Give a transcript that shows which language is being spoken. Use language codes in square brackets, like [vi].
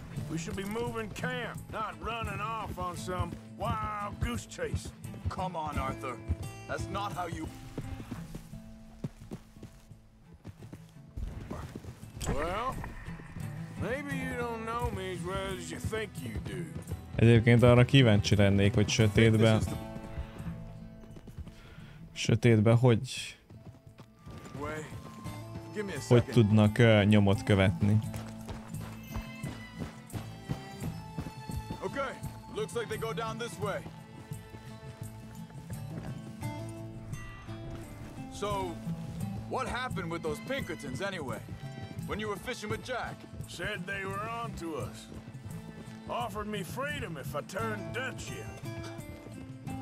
[en] We should be moving camp, not running off on some wild goose chase. Come on, Arthur. That's not how you... Well, maybe you don't know me as well as you think you do. [hu] Egyébként arra kíváncsi lennék, hogy sötétben... Sötétben hogy... Hogy tudnak nyomot követni? [en] Okay, looks like they go down this way. So, what happened with those Pinkertons anyway? when you were fishing with Jack. Said they were on to us. Offered me freedom if I turned Dutch in.